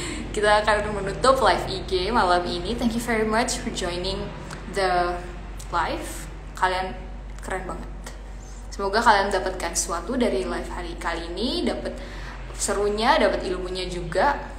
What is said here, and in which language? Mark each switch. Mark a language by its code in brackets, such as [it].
[id] Kita akan menutup live IG malam ini. [en] Thank you very much for joining the live. [id] Kalian keren banget. Semoga kalian dapatkan sesuatu dari live hari kali ini, dapat serunya, dapat ilmunya juga.